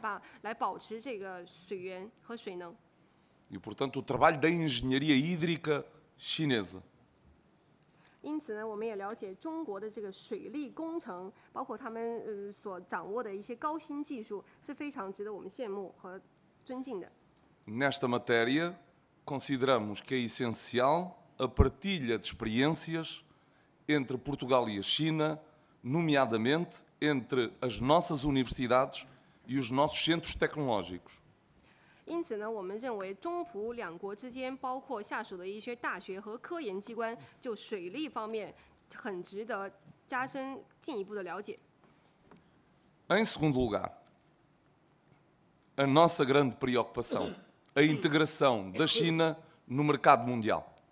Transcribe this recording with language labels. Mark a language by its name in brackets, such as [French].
[Chinese] 而且呢，我们也非常清楚，在中国，在中国的南部，然后呢，修建了非常多的那个大型的那个水利大坝，来保持这个水源和水能。 [Portuguese] E, portanto, o trabalho da engenharia hídrica chinesa. [Chinese] 因此呢，我们也了解中国的这个水利工程，包括他们所掌握的一些高新技术，是非常值得我们羡慕和尊敬的。 [Portuguese] Nesta matéria, consideramos que é essencial a partilha de experiências entre Portugal e a China, nomeadamente entre as nossas universidades e os nossos centros tecnológicos. [Chinese] 因此呢，我们认为中葡两国之间，包括下属的一些大学和科研机关，就水利方面，很值得加深进一步的了解。 [Portuguese] Em segundo lugar, a nossa grande preocupação, a integração da China no mercado mundial.